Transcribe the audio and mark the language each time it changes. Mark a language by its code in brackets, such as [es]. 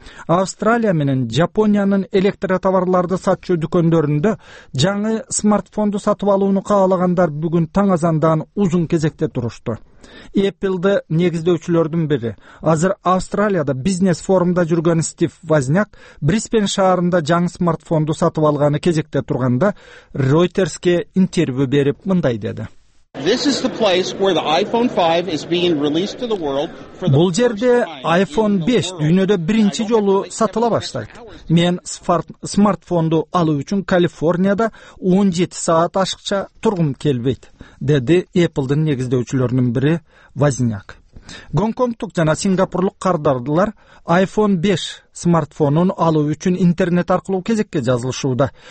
[ky] Австралия менен Жапониянын электротоварларды сатчу дүкөндөрүндө жаңы смартфонду сатып алууну каалагандар бүгүн таң азандан узун кезекте турушту. Apple'ды негиздөөчүлөрдүн бири, азыр Австралияда бизнес форумда жүргөн Стив Возняк Брисбен шаарында жаңы смартфонду сатып алганы кезекте турганда Reuters'ке интервью берип мындай деди. [en] This is the place where the iPhone 5 is being released to the world for the first time. [ky] Бул жерде iPhone 5 дүйнөдө биринчи жолу сатыла баштайт. Мен смартфонду алуу үчүн Калифорнияда 17 саат ашыкча тургум келбейт, деди Apple'дын негиздөөчүлөрүнүн бири Вазиняк. Гонконгтук жана сингапурлук кардарлар iPhone 5 смартфонун алуу үчүн интернет аркылуу кезекке жазылышууда.